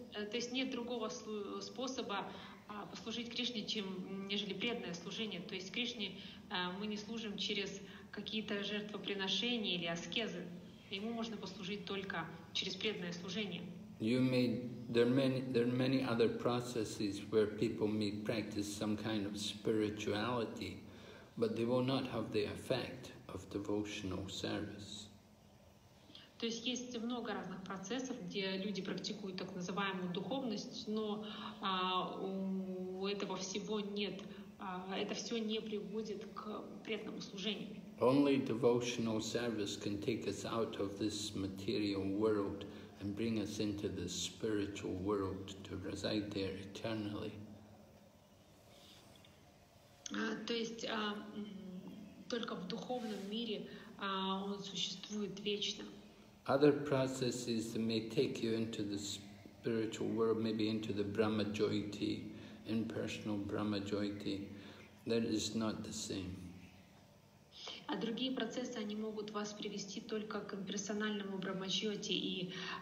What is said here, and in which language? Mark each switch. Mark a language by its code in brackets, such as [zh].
[ru] То есть нет другого способа послужить Кришне, чем нежели преданное служение. То есть Кришне мы не служим через какие-то жертвоприношения или аскезы. Ему можно послужить только через преданное служение. [en] There are many other processes where people may practice some kind of spirituality, but they will not have the effect of devotional service. [ru] То есть много разных процессов, где люди практикуют так называемую духовность, но у этого всего нет, это все не приводит к преданному служению. [en] Only devotional service can take us out of this material world and bring us into the spiritual world to reside there eternally. [ru] То есть только в духовном мире он существует вечно. [en] Other processes that may take you into the spiritual world, maybe into the Brahma Jyoti, impersonal Brahma Jyoti, that is not the same. [ru] А другие процессы, они могут вас привести только к имперсональному брахмачьоте и